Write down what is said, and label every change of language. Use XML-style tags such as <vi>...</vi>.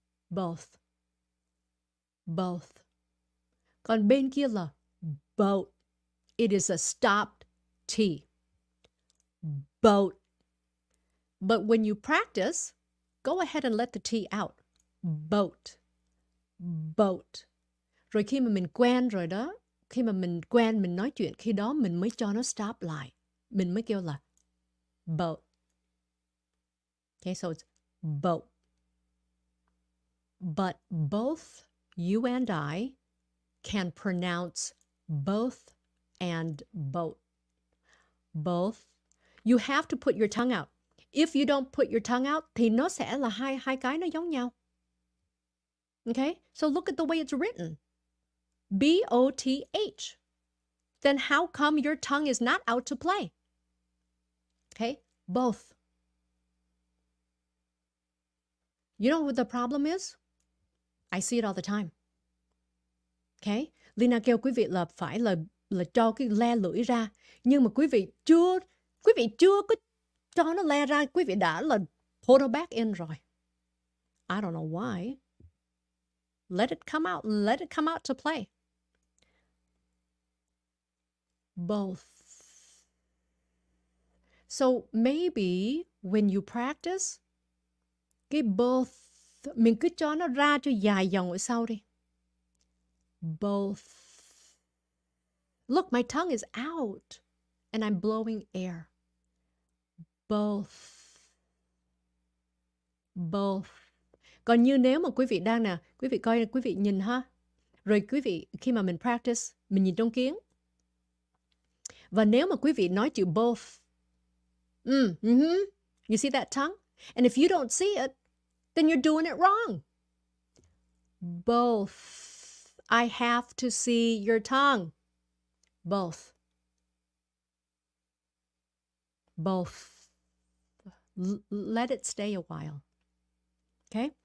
<en>Both. Both.</en> <vi>Còn bên kia là boat.</vi> <en>It is a stopped T. Boat. But when you practice, go ahead and let the T out. Boat. Boat.</en> <vi>Rồi khi mà mình quen rồi đó, khi mà mình quen, mình nói chuyện, khi đó mình mới cho nó stop lại. Mình mới kêu là boat.</vi> <en>Okay, so it's boat. But both you and I can pronounce both and boat. Both. You have to put your tongue out. If you don't put your tongue out,</en> <vi>thì nó sẽ là hai cái nó giống nhau.</vi> <en>Okay, so look at the way it's written. B-O-T-H. Then how come your tongue is not out to play? Okay, both. You know what the problem is? I see it all the time. Okay?</en> <vi>Lina kêu quý vị là phải là cho cái le lưỡi ra. Nhưng mà quý vị chưa có cho nó le ra, quý vị đã là</vi> <en>pull it back in</en> <vi>rồi.</vi> <en>I don't know why. Let it come out. Let it come out to play. Both. So maybe when you practice,</en> <vi>cái both, mình cứ cho nó ra cho dài dòng ở sau đi.</vi> <en>Both. Look, my tongue is out and I'm blowing air. Both. Both.</en> <vi>Còn như nếu mà quý vị đang nè, quý vị coi, quý vị nhìn ha. Rồi quý vị, khi mà mình practice, mình nhìn trong kính. Và nếu mà quý vị nói chữ both.</vi> <en>You see that tongue? And if you don't see it, then you're doing it wrong. Both. I have to see your tongue. Both. Both. Let it stay a while. Okay?</en>